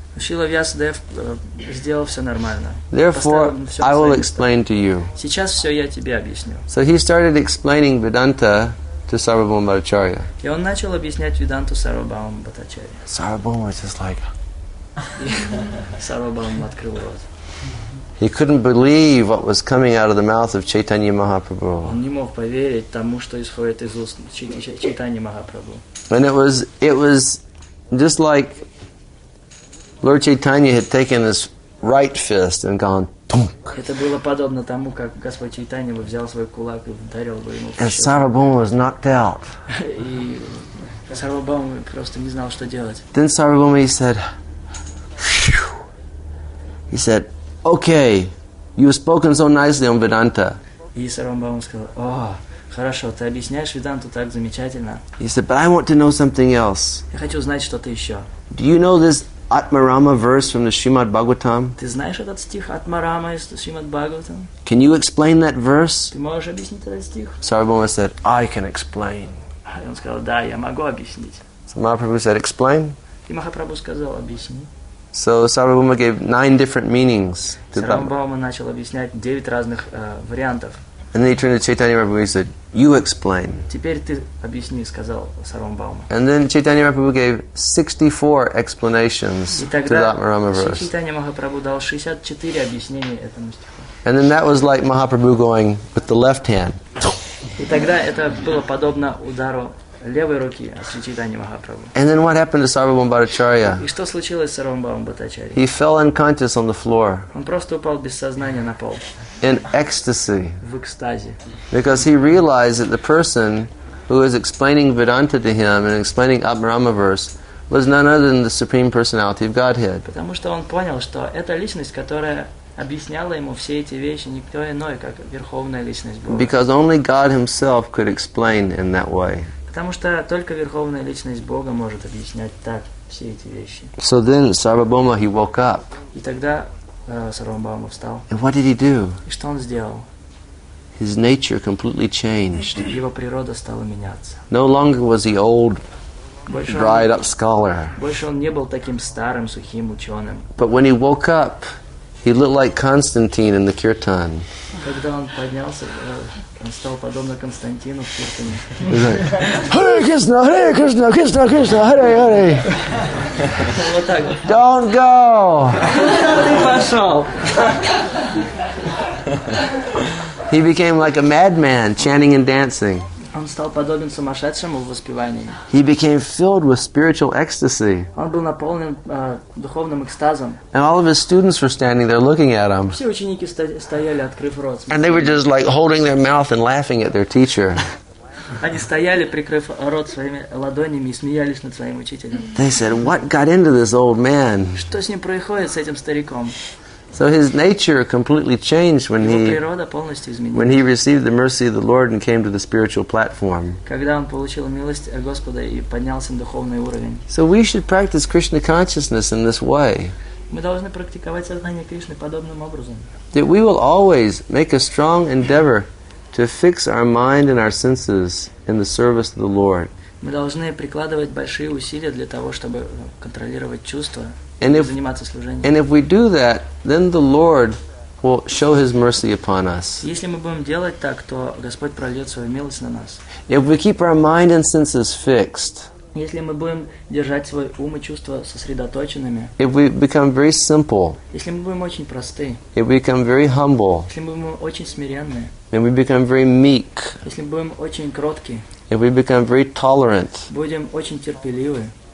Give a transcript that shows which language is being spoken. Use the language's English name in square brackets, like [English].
[Russian] Srila Vyasadeva сделал все нормально. [English] Therefore, I will explain to you. [Russian] Сейчас все я тебе объясню. [English] So he started explaining Vedanta to Sarvabhauma Bhattacharya. [Russian] И он начал объяснять Веданту Сарвабхаума Бхаттачарье. [English] Sarvabhauma was just like... [Russian] Сарвабхаума открыл рот. [English] He couldn't believe what was coming out of the mouth of Chaitanya Mahaprabhu. [Russian] Он не мог поверить тому, что исходит из уст Чайтаньи Махапрабху. [English] And it was just like Lord Chaitanya had taken his right fist and gone thunk. [Russian] Это было подобно тому, как Господь Чайтанья бы взял свой кулак и ударил бы ему. [English] And Sarvabhauma was knocked out. [Russian] И Сарвабхаума просто не знал, что делать. [English] Then Sarvabhauma, he said, phew. He said, okay, you have spoken so nicely on Vedanta. [Russian] И Сарвабхаума сказал, о, хорошо, ты объясняешь Веданту так замечательно. [English] He said, but I want to know something else. [Russian] Я хочу знать что-то еще. [English] Do you know this Atmarama verse from the Srimad Bhagavatam? [Russian] Ты знаешь этот стих Атмарама из Srimad Bhagavatam? [English] Can you explain that verse? [Russian] Ты можешь объяснить этот стих? [English] Сарвабхаума said, I can explain. [Russian] И он сказал, да, я могу объяснить. [English] So Mahaprabhu said, explain. [Russian] И Махапрабху сказал, объясни. [English] So Sarvabhauma gave 9 different meanings to Bhagavatam. [Russian] Сарвабхаума начал объяснять 9 разных вариантов. [English] And then he turned to Chaitanya Mahaprabhu and said, you explain. [Russian] Теперь ты объясни, сказал Сарвабхаума. [English] And then Chaitanya Mahaprabhu gave 64 explanations to the Atmarama verse. [Russian] Chaitanya Mahaprabhu дал 64 объяснения этому стиху. [English] And then that was like Mahaprabhu going with the left hand. [Russian] И тогда это было подобно удару левой руки от Чайтаньи Махапрабху. [English] And then what happened to Sarvabhauma Bhattacharya? [Russian] И что случилось с Сарвабхаумой Бхаттачарьей? [English] He fell unconscious on the floor. [Russian] Он просто упал без сознания на пол. [English] In ecstasy. [Russian] В экстазе. [English] Because he realized that the person who was explaining Vedanta to him and explaining Atmarama verse was none other than the Supreme Personality of Godhead. [Russian] Потому что он понял, что эта личность, которая объясняла ему все эти вещи, никто иной, как Верховная Личность Бога. [English] Because only God himself could explain in that way. [Russian] Потому что только Верховная Личность Бога может объяснять так все эти вещи. [English] So then Sarvabhauma, he woke up. [Russian] И тогда Сарвабхаума встал. [English] And what did he do? [Russian] И что он сделал? [English] His nature completely changed. [Russian] Его природа стала меняться. [English] No longer was he old, dried up scholar. [Russian] Больше он не был таким старым, сухим ученым. [English] But when he woke up, he looked like Constantine in the Kirtan. [Russian] Когда он поднялся, он стал подобно Константину в Киртане. [Sanskrit] Харе Кришна, Харе Кришна, Кришна Кришна, Харе Харе. [Russian] Вот так. [English] Don't go. [Russian] Ты пошел. [English] He became like a madman, chanting and dancing. [Russian] Он стал подобен сумасшедшему в воспевании. [English] He became filled with spiritual ecstasy. [Russian] Он был наполнен духовным экстазом. [English] And all of his students were standing there looking at him. [Russian] Все ученики стояли, открыв рот. [English] And they were just like holding their mouth and laughing at their teacher. [Russian] Они стояли, прикрыв рот своими ладонями, и смеялись над своим учителем. [English] They said, "What got into this old man?" [Russian] Что с ним происходит, с этим стариком? [English] So his nature completely changed when [Russian] его природа полностью изменилась. [English] When he received the mercy of the Lord and came to the spiritual platform. [Russian] Когда он получил милость от Господа и поднялся на духовный уровень. [English] So we should practice Krishna consciousness in this way. [Russian] Мы должны практиковать сознание Кришны подобным образом. [English] That we will always make a strong endeavor to fix our mind and our senses in the service of the Lord. [Russian] Мы должны прикладывать большие усилия для того, чтобы контролировать чувства и заниматься служением. [English] And if we do that, then the Lord will show His mercy upon us. [Russian] Если мы будем делать так, то Господь прольет свою милость на нас. [English] If we keep our mind and senses fixed. [Russian] Если мы будем держать свой ум и чувства сосредоточенными. [English] If we become very simple. [Russian] Если мы будем очень просты. [English] If we become very humble. [Russian] Если мы будем очень смиренны. [English] If we become very meek. [Russian] Если мы будем очень кротки. [English] If we become very tolerant. [Russian] Будем очень терпеливы.